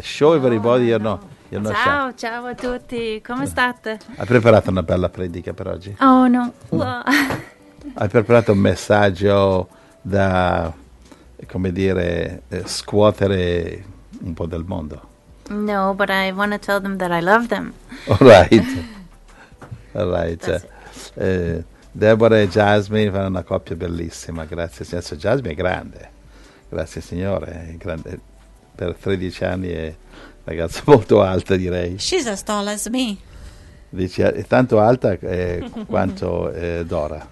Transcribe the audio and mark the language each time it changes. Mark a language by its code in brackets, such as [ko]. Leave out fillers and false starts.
[en] Show everybody you're not shy. [it] Ciao, ciao a tutti, come state? Hai preparato una bella predica per oggi? Oh no. Hai preparato un messaggio da, come dire, scuotere un po' del mondo? [en] No, but I want to tell them that I love them. All right. [it] Deborah e Jasmine fanno una coppia bellissima, grazie Signore. Jasmine è grande, grazie Signore, è grande. Per 13 anni è una ragazza molto alta, direi. [en] She's as tall as me. [it] Dice, è tanto alta quanto Dora.